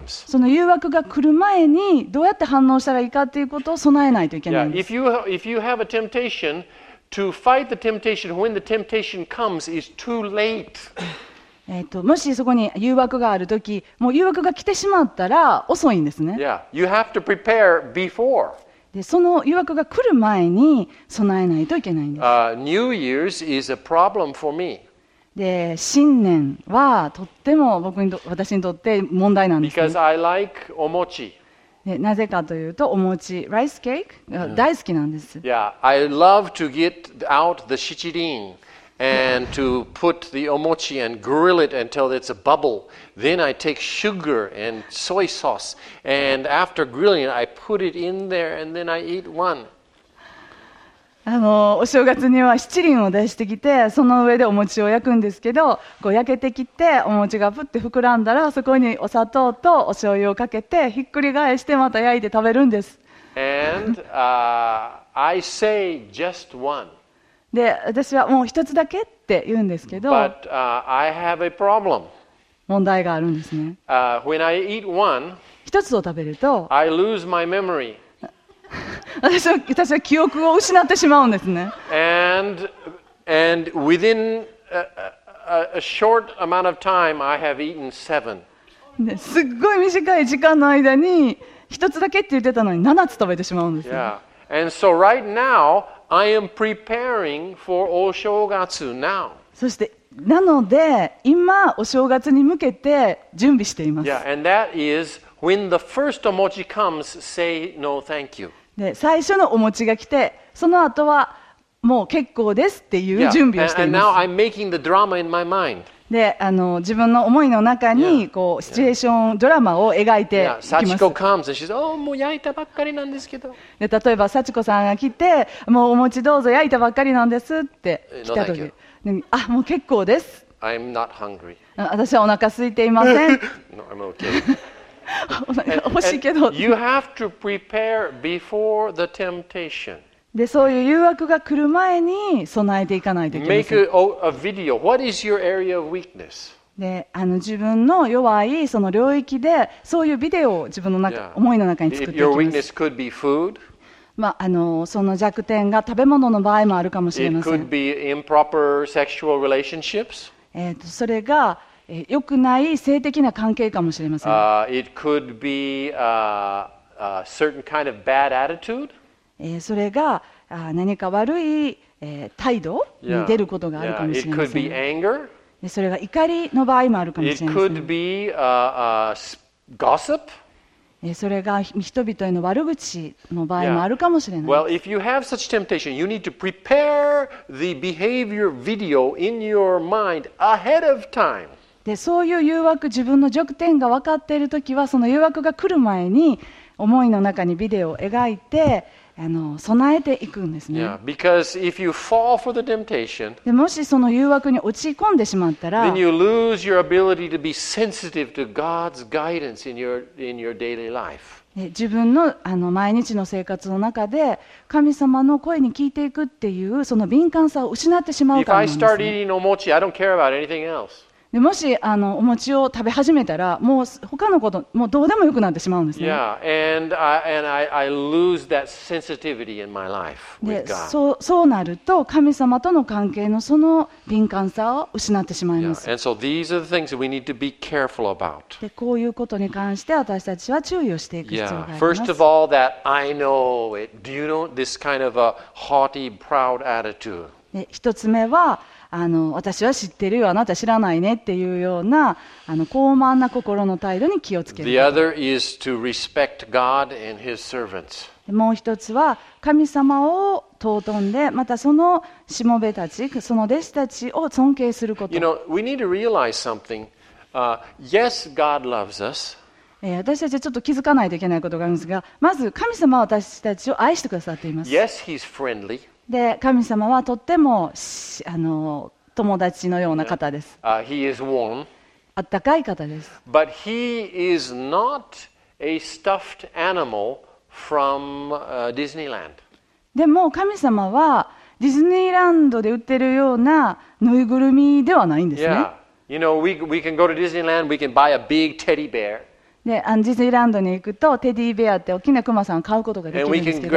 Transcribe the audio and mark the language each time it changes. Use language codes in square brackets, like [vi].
[ja] その誘惑が来る前にどうやって反応したらいいかということを備えないといけないんです。 [en] Yeah, if you have a temptation, to fight the temptation when the temptation comes is too late. [ja] もしそこに誘惑があるとき、もう誘惑が来てしまったら遅いんですね。 [en] Yeah, you have to prepare before. [ja] でその誘惑が来る前に備えないといけないんです。 [en] New Year's is a problem for me. [ja] で新年はとっても私にとって問題なんですね。 [en] Because I like お餅。 [ja] でなぜかというとお餅、ライスケーキが大好きなんです。 [en] Yeah, I love to get out the shichirin and to put the お餅 and grill it until it's a bubble. Then I take sugar and soy sauce and after grilling I put it in there and then I eat one. [ja] お正月には七輪を出してきてその上でお餅を焼くんですけど、こう焼けてきてお餅がふって膨らんだらそこにお砂糖とお醤油をかけてひっくり返してまた焼いて食べるんです。 [en] And I say just one. [ja] で私はもう一つだけって言うんですけど、 [en] But, I have a problem. [ja] 問題があるんですね。 [en] When I eat one, [ja] 一つを食べると [en] I lose my memory. [ja] 私は記憶を失ってしまうんですね。 [en] And within a short amount of time, I have eaten seven. [ja] ですっごい短い時間の間に一つだけって言ってたのに七つ食べてしまうんですね。 [en] Yeah. And so right nowI am preparing for お正月 now. [ja] そしてなので今お正月に向けて準備しています。 [en] Yeah, and that is when the first omochi comes, say no, thank you. [ja] で最初のお餅が来て、その後はもう結構ですっていう準備をしています。 [en] Yeah, and now I'm making the drama in my mind. [ja] で自分の思いの中にこうシチュエーション、yeah. ドラマを描いていきます。 [en] Yeah, Sachiko comes and she says, oh, [ja] もう焼いたばっかりなんですけど。で例えば Sachiko さんが来て、もうお餅どうぞ焼いたばっかりなんですって来た時、 [en] no, [ja] あ、もう結構です。 [en] I'm not hungry. [ja] 私はお腹空いていません。 [en] No, I'm okay. [ja] お腹欲しいけど。 [en] You have to prepare before the temptation. [ja] で、そういう誘惑が来る前に備えていかないといけません。 [en] Make a video. What is your area of weakness? [ja] で、あの自分の弱いその領域でそういうビデオを自分の中、yeah. 思いの中に作っていきます。 [en] Your weakness could be food. [ja] まあ、あのその弱点が食べ物の場合もあるかもしれません。 [en] It could be improper sexual relationships. [ja] それが、良くない性的な関係かもしれません。 [en] It could be a certain kind of bad attitude. [ja] それが何か悪い、態度に出ることがあるかもしれません。 [en] It could be anger [ja] それが怒りの場合もあるかもしれません。 [en] It could be gossip. [ja] それが人々への悪口の場合もあるかもしれない。 [en] Well, if you have such temptation, you need to prepare the behavior video in your mind ahead of time. [ja] で、そういう誘惑、自分の弱点が分かっているときは、その誘惑が来る前に思いの中にビデオを描いて、あの備えていくんですね。 [en] Yeah, because if you fall for the temptation, [ja] でもしその誘惑に落ち込んでしまったら、 [en] then you lose your ability to be sensitive to God's guidance in your daily life. [ja] 自分の、あの毎日の生活の中で神様の声に聞いていくっていうその敏感さを失ってしまうからなんですね。 [en] If I start eating お餅, I don't care about anything else. [ja] でもしあのお餅を食べ始めたらもう他のこともうどうでもよくなってしまうんですね。 [en] Yeah, and I lose that sensitivity in my life with God. [ja] で、そうなると神様との関係のその敏感さを失ってしまいます。 [en] Yeah, and so these are the things that we need to be careful about. [ja] で、こういうことに関して私たちは注意をしていく必要があります。 [en] Yeah, first of all that I know it. Do you know this kind of a haughty, proud attitude? [ja] で、一つ目はあの私は知ってるよあなた知らないねっていうようなあの高慢な心の態度に気をつける。 [en] The other is to respect God and His servants. [ja] もう一つは神様を尊んでまたそのしもべたちその弟子たちを尊敬すること。 [en] You know, we need to realize something. Yes, God loves us. [ja] 私たちはちょっと気づかないといけないことがあるんですが、まず神様は私たちを愛してくださっています。 [en] Yes, He's friendly. [ja] で、神様はとってもあの友達のような方です。 [en] He is warm. [ja] あったかい方です。 [en] But he is not a stuffed animal from Disneyland. [ja] でも神様はディズニーランドで売ってるようなぬいぐるみではないんですね。 [en] Yeah. You know, we can go to Disneyland, we can buy a big teddy bear. [ja] で、アンディズニーランドに行くとテディベアって大きな熊さんを買うことができるんですけど、